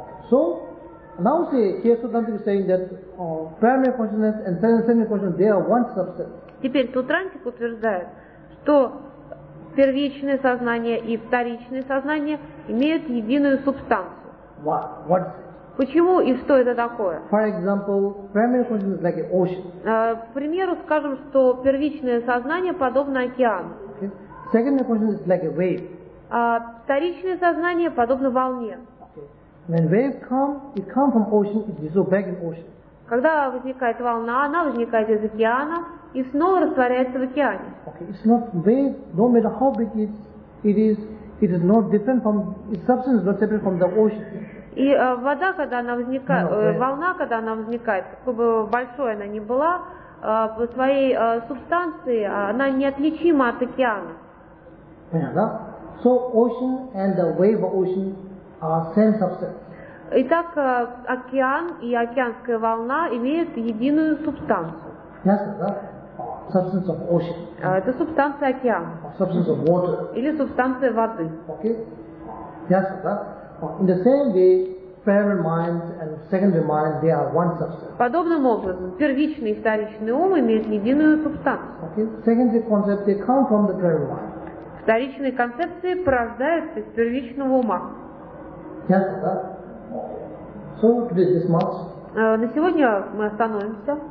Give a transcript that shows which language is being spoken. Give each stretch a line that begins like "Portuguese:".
English: So now see here Sutrantri is saying that primary consciousness and transcendental consciousness they are one substance.
Russian: Теперь Сутрантри утверждает, что первичное сознание и вторичное сознание имеют единую субстанцию.
English: What is it?
Russian: Почему и что это такое?
English: For example, primary consciousness is like an ocean.
Russian: К примеру, скажем, что первичное сознание подобно океану.
English: Okay. Secondary consciousness is like a wave.
Russian: Вторичное сознание подобно волне.
English: When wave come, it come from ocean, it dissolve back in ocean.
Russian: Когда возникает волна, она возникает из океана и снова растворяется в океане.
English: Okay, it's not wave. No matter how big it is. It is not different from its substance, not separate from the ocean.
Russian: И вода, когда она возникает, волна, когда она возникает, какой бы большой она ни была, по своей субстанции она неотличима от океана. Понятно?
English: So ocean and the wave of ocean are same substance.
Russian: Итак, океан и океанская волна имеют единую субстанцию.
English: Yes, right? Substance of ocean.
Russian: Это субстанция океана.
English: Substance of water.
Russian: Или субстанция воды.
English: Okay. Yes, right? In the same way, primary mind and secondary mind they are one substance.
Russian: Подобным образом, первичный и вторичный ум имеют единую субстанцию.
English: Okay. Secondary concept they come from the primary mind.
Russian: Вторичные концепции порождаются из первичного ума.
English: Yes, right? So today this much.
Russian: На сегодня мы остановимся.